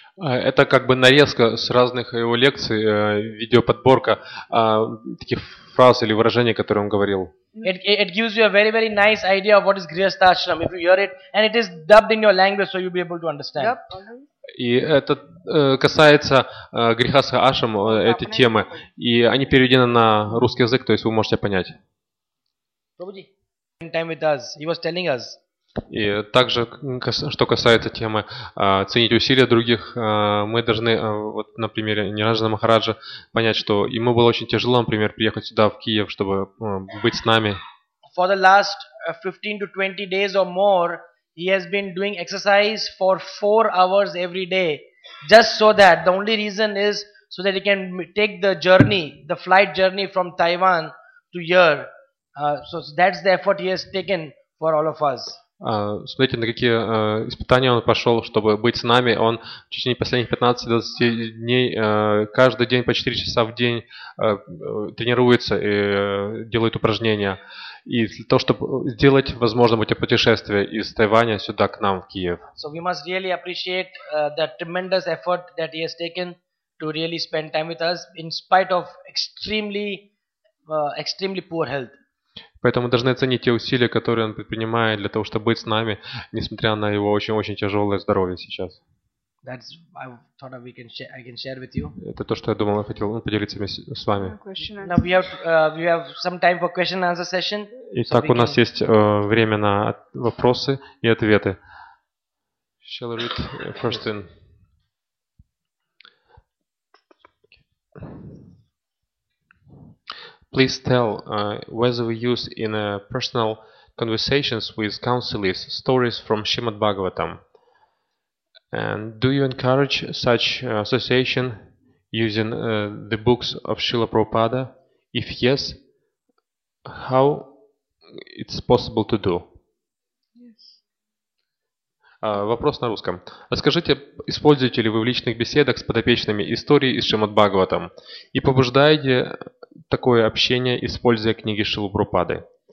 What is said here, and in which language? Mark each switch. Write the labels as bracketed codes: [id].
[ru] Это как бы нарезка с разных его лекций, видеоподборка таких фраз или выражений, которые он говорил. [en] It gives you a very very nice idea of what is Grihastha Ashram if you hear it, and it is dubbed in your language, so you'll be able to understand. Yep. Uh-huh. [ru] И это касается Грихастха Ашрам, этой темы, и они переведены на русский язык, то есть вы можете понять. [en] Time with us. He was telling us. [ru] И также, что касается темы ценить усилия других, мы должны, вот, на примере Ниранджана Махараджа, понять, что ему было очень тяжело, например, приехать сюда, в Киев, чтобы быть с нами. [en] For the last 15 to 20 days or more, he has been doing exercise for 4 hours every day, just so that, the only reason is, so that he can take the journey, the flight journey from Taiwan to here. So that's the effort he has taken for all of us. [ru] Смотрите, на какие испытания он пошел, чтобы быть с нами. Он в течение последних 15-20 дней, каждый день по 4 часа в день тренируется и делает упражнения. И для того, чтобы сделать, возможно, эти путешествия из Тайваня сюда к нам, в Киев. [en] So we must really appreciate the tremendous effort that he has taken to really spend time with us in spite of extremely poor health. [ru] Поэтому должны оценить те усилия, которые он предпринимает для того, чтобы быть с нами, несмотря на его очень-очень тяжелое здоровье сейчас. [en] That's, I thought we can share, I can share with you. [ru] Это то, что я думал, я хотел поделиться с вами. [en] Now we have some time for question and answer session. [ru] Итак, so у нас can... есть время на вопросы и ответы. [en] Shall I read first in? Please tell whether we use in personal conversations with counselors stories from Srimad Bhagavatam. And do you encourage such association using the books of Srila Prabhupada? If yes, how it's possible to do? [ru] Вопрос на русском. Расскажите, используете ли вы в личных беседах с подопечными истории из Шримад Бхагаватам и побуждаете такое общение, используя книги Шрилы Прабхупады?